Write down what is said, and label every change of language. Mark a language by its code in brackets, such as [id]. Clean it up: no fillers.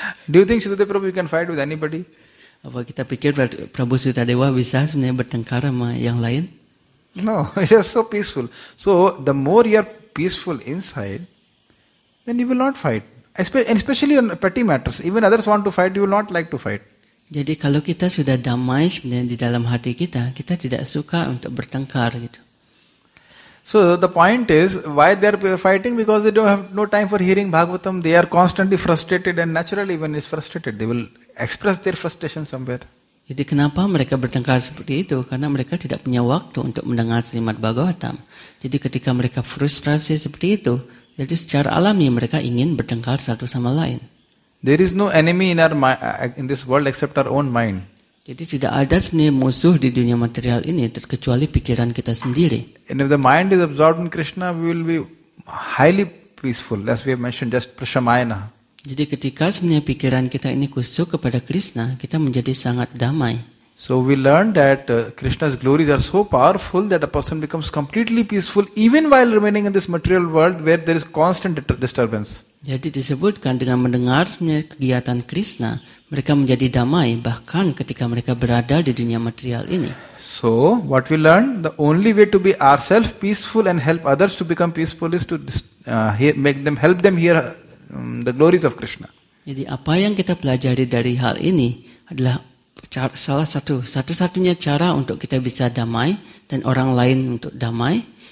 [en] Do you think Sutadeva Prabhu can fight with anybody? [id] Apa kita pikir Prabhu Sutadeva bisa sebenarnya bertengkar sama yang lain? [en] No, it's just so peaceful. So the more you're peaceful inside, then you will not fight. Especially on petty matters. Even others want to fight, you will not like to fight. [id] Jadi kalau kita sudah damai sebenarnya di dalam hati kita, kita tidak suka untuk bertengkar gitu. [en] So the point is, why they're fighting? Because they don't have no time for hearing Bhagavatam. They are constantly frustrated, and naturally when it's frustrated, they will express their frustration somewhere. [id] Jadi kenapa mereka bertengkar seperti itu? Karena mereka tidak punya waktu untuk mendengar Srimad Bhagavatam. Jadi ketika mereka frustrasi seperti itu, jadi secara alami mereka ingin bertengkar satu sama lain. [en] There is no enemy in this world except our own mind. [id] Jadi tidak ada sebenarnya musuh di dunia material ini terkecuali pikiran kita sendiri. [en] And if the mind is absorbed in Krishna, we will be highly peaceful, as we have mentioned, just prashamayana. [id] Jadi ketika sebenarnya pikiran kita ini kusuk kepada Krishna, kita menjadi sangat damai. [en] So we learn that Krishna's glories are so powerful that a person becomes completely peaceful even while remaining in this material world where there is constant disturbance. [id] Jadi disebutkan dengan mendengar kegiatan Krishna, mereka menjadi damai bahkan ketika mereka berada di dunia material ini. [en] So, what we learn, the only way to be ourselves peaceful and help others to become peaceful is to make them, help them hear the glories of Krishna. [id] Jadi apa yang kita pelajari dari hal ini adalah satu-satunya cara untuk kita bisa damai dan orang lain untuk damai.